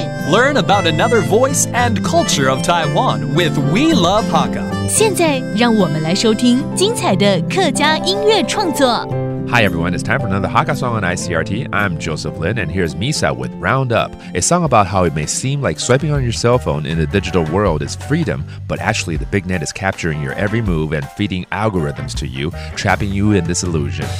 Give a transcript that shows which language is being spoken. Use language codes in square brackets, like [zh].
[en] Learn about another voice and culture of Taiwan with We Love Hakka. [zh] 现在让我们来收听精彩的客家音乐创作。 [en] Hi everyone, it's time for another Hakka song on ICRT. I'm Joseph Lin, and here's Misa with Round Up, a song about how it may seem like swiping on your cell phone in the digital world is freedom, but actually the big net is capturing your every move and feeding algorithms to you, trapping you in this illusion.